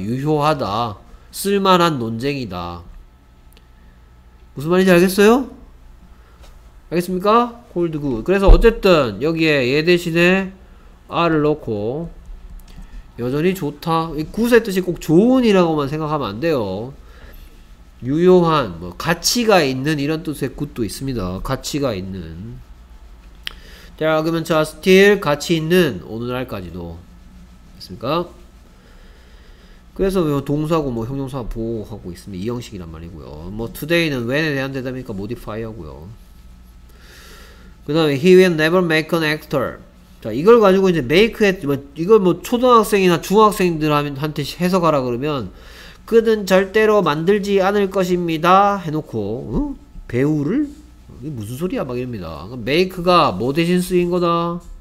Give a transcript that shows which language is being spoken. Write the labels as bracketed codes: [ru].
[ko] 유효하다. 쓸만한 논쟁이다. 무슨 말인지 알겠어요? 알겠습니까? 콜드구. 그래서 어쨌든 여기에 얘 대신에 R을 넣고 여전히 좋다. 이 굿의 뜻이 꼭 좋은이라고만 생각하면 안 돼요. 유효한 뭐 가치가 있는 이런 뜻의 굿도 있습니다. 가치가 있는. [en] Their arguments are still [ko] 가치 있는 오늘날까지도. 됐습니까? 그래서 뭐 동사고 뭐 형용사 보호하고 있으면 이 형식이란 말이고요. 뭐 today는 when에 대한 대답이니까 modifier고요. 그 다음에 [en] he will never make an actor. [ko] 자 이걸 가지고 이제 make 뭐 이걸 뭐 초등학생이나 중학생들한테 해석하라 그러면 그는 절대로 만들지 않을 것입니다 해놓고 어? 배우를? 이게 무슨 소리야 막 이럽니다. 메이크가 뭐 대신 쓰인 거다?